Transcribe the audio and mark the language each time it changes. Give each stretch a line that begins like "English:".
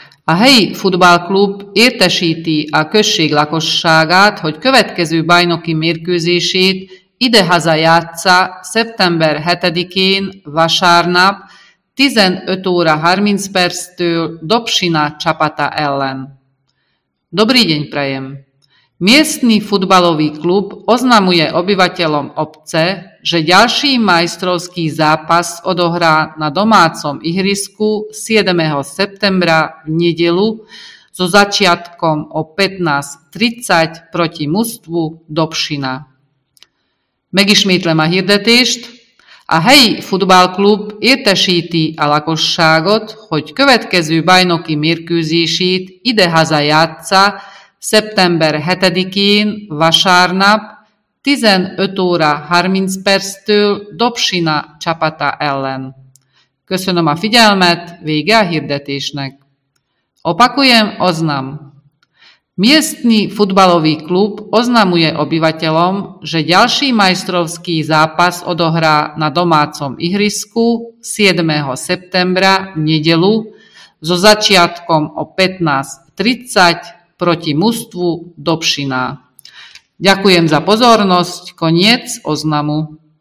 Hungarian: A helyi futballklub értesíti a község lakosságát, hogy következő bajnoki mérkőzését idehaza játssza szeptember 7-én vasárnap 15 óra 30 perctől Dobšiná csapata ellen.
Slovak: Dobrý deň prajem! Miestny futbalový klub oznamuje obyvateľom obce, že ďalší majstrovský zápas odohrá na domácom ihrisku 7. septembra v nedeľu so začiatkom o 15:30 proti mužstvu Dobšiná.
Hungarian: Megismétlem a hirdetést. A helyi futballklub értesíti a lakosságot, hogy következő bajnoki mérkőzését idehaza játssza szeptember 7-én vasárnap 15 óra 30 perctől Dobšiná csapata ellen. Köszönöm a figyelmet, vége a hirdetésnek.
Slovak: Opakujem oznam. Miestny futbalový klub oznamuje obyvateľom, že ďalší majstrovský zápas odohrá na domácom ihrisku 7. septembra v nedeľu so začiatkom o 15:30 proti mužstvu Dobšiná. Ďakujem za pozornosť. Koniec oznamu.